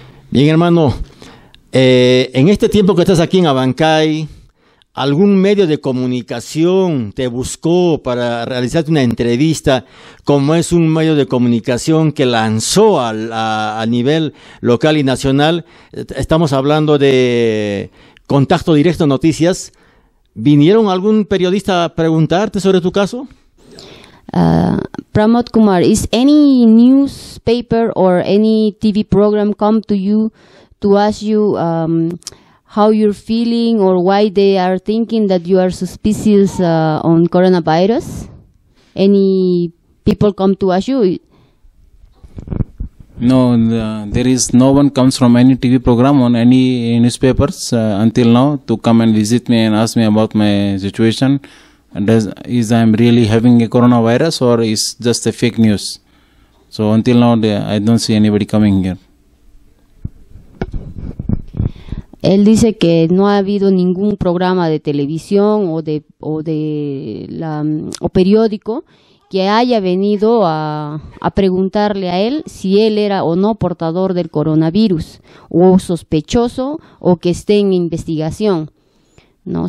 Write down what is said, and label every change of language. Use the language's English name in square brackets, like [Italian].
[Spanish] Bien, hermano, en este tiempo que estás aquí en Abancay, ¿algún medio de comunicación te buscó para realizarte una entrevista, como es un medio de comunicación que lanzó a nivel local y nacional? Estamos hablando de Contacto Directo Noticias. ¿Vinieron algún periodista a preguntarte sobre tu caso? [English] Pramod Kumar, is any newspaper or any TV program come to you to ask you how you're feeling or why they are thinking that you are suspicious on coronavirus? Any people come to ask you? No, there is no one comes from any TV program or any newspapers until now to come and visit me and ask me about my situation. Is I'm really having a coronavirus or is just a fake news? So until now, I don't see anybody coming here. [Spanish] Él dice que no ha habido ningún programa de televisión o periódico que haya venido a preguntarle a él si él era o no portador del coronavirus o sospechoso o que esté en investigación, ¿no?